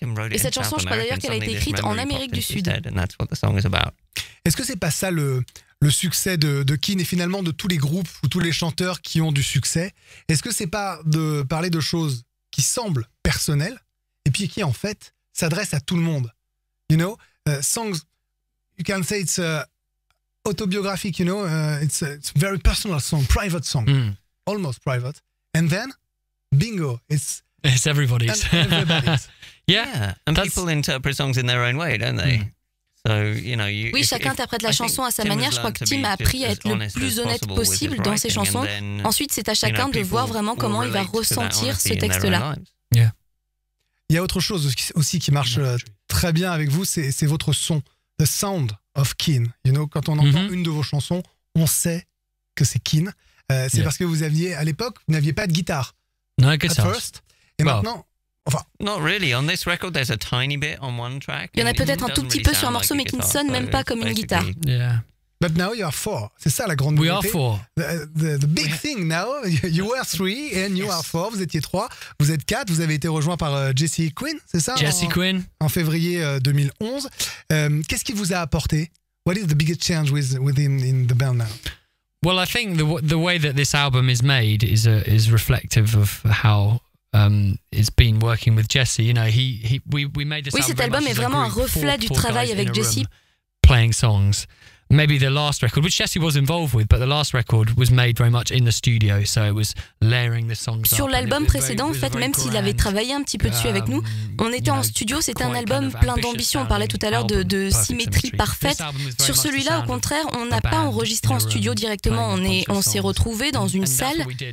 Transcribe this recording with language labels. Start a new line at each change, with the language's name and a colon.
French: Et cette chanson, je crois d'ailleurs qu'elle a été écrite en Amérique du Sud. Est-ce que c'est pas ça le succès de Keane et finalement de tous les groupes ou tous les chanteurs qui ont du succès. Est-ce que c'est pas de parler de choses qui semblent personnelles et puis qui en fait s'adressent à tout le monde?
English: You know, songs, you can say it's autobiographic, you know, it's a very personal song, private song, almost private. And then, bingo, it's everybody's. Everybody's. Yeah. And that's... people interpret songs in their own way, don't they? Mm. So, you know, you,
French: oui, if, chacun interprète la chanson à sa manière. Je crois que Tim a appris à être le plus honnête possible dans ses chansons. Then, ensuite, c'est à chacun de voir vraiment comment il va ressentir ce texte-là.
English: Yeah.
French: Il y a autre chose aussi qui marche très bien avec vous, c'est votre son.
English: The sound of Keane. You know,
French: quand on entend une de vos chansons, on sait que c'est Keane. C'est parce que vous aviez, à l'époque, vous n'aviez pas de guitare.
English: No guitar. At first.
French: Et maintenant... Enfin,
English: not really. On this record, there's a tiny bit on one track.
French: Il y en a peut-être un tout petit peu sur un morceau, mais qui ne sonne même pas comme une guitare.
English: Yeah. But now you are four.
French: C'est ça la grande
English: nouveauté. We are four. The big thing now, you were three and you are four.
French: Vous étiez trois, vous êtes quatre. Vous avez été rejoint par Jesse Quinn, c'est ça? Jesse Quinn. En février 2011. Qu'est-ce qui vous a apporté?
English: What is the biggest change within the band now? Well, I think the way that this album is made is reflective of how it's been working with Jesse. You know, we made this.
French: Oui, cet album est vraiment un reflet du travail avec Jesse.
English: Playing songs, maybe the last record, which Jesse was involved with, but the last record was made very much in the studio, so it was layering the songs.
French: Sur l'album précédent, en fait, même s'il avait travaillé un petit peu dessus avec nous, on était en studio. C'était un album plein d'ambition. On parlait tout à l'heure de symétrie parfaite. Sur celui-là, au contraire, on n'a pas enregistré en studio directement. On s'est retrouvé dans une salle.